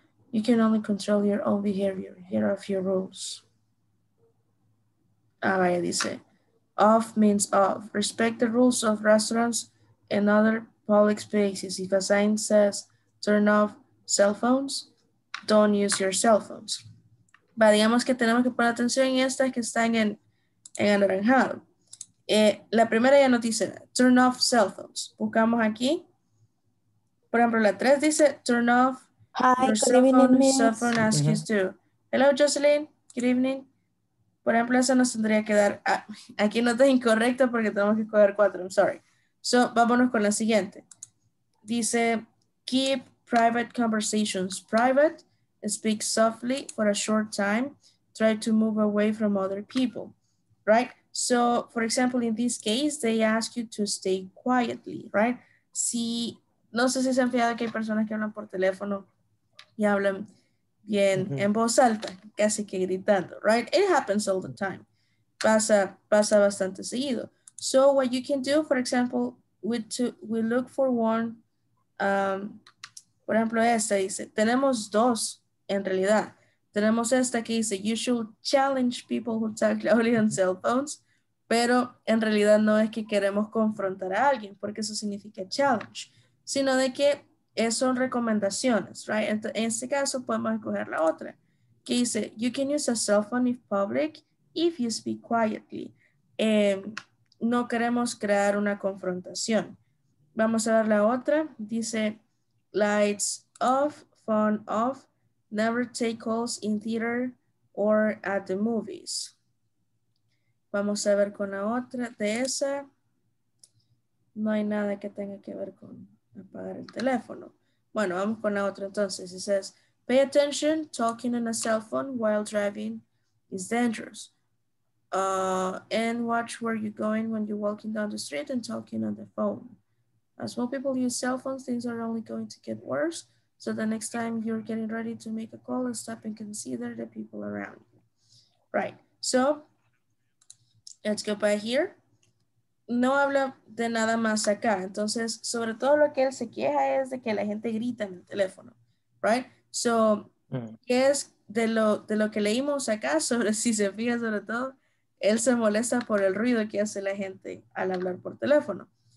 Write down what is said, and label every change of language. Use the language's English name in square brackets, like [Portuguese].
[English] You can only control your own behavior. Here are a few rules. [Spanish] Ah, vaya, dice. [English] Off means off. Respect the rules of restaurants and other public spaces. If a sign says, turn off cell phones, don't use your cell phones. [Spanish] Va, digamos que tenemos que poner atención en estas que están en anaranjado. La primera ya nos dice, [English] turn off cell phones. [Spanish] Buscamos aquí. Por ejemplo, la 3 dice, [English] turn off your cell phone. Ask you to. Hello, Jocelyn. Good evening. [Spanish] Por ejemplo, eso nos tendría que dar. Aquí no está incorrecto porque tenemos que escoger 4. [English] I'm sorry. So, [Spanish] vámonos con la siguiente. [English] Dice, keep private conversations private. Speak softly for a short time. Try to move away from other people. Right? So, for example, in this case, they ask you to stay quietly, right? [Spanish] Si, no sé si se han fijado que hay personas que hablan por teléfono y hablan bien en voz alta, casi que gritando, [English] right? It happens all the time. [Spanish] Pasa bastante seguido. [English] So, what you can do, for example, we look for one, [Spanish] por ejemplo, esta dice, tenemos dos en realidad. Tenemos esta que dice, [English] you should challenge people who talk loudly on cell phones. [Spanish] Pero en realidad no es que queremos confrontar a alguien, porque eso significa challenge, sino de que son recomendaciones, [English] right? [Spanish] Entonces, en este caso podemos escoger la otra, que dice, [English] you can use a cell phone in public if you speak quietly. [Spanish] No queremos crear una confrontación. Vamos a ver la otra, dice, [English] lights off, phone off, never take calls in theater or at the movies. [Spanish] Vamos a ver con la otra de esa. No hay nada que tenga que ver con apagar el teléfono. Bueno, vamos con la otra entonces. [English] It says, pay attention, talking on a cell phone while driving is dangerous. And watch where you're going when you're walking down the street and talking on the phone. As more people use cell phones, things are only going to get worse. So the next time you're getting ready to make a call, stop and consider the people around you. Right, so, let's go by here. [Spanish] No habla de nada más acá. Entonces, sobre todo lo que él se queja es de que la gente grita en el teléfono. [English] right? So, [Spanish] ¿qué es de lo que leímos acá? Sobre, si se fija sobre todo, él se molesta por el ruido que hace la gente al hablar por teléfono.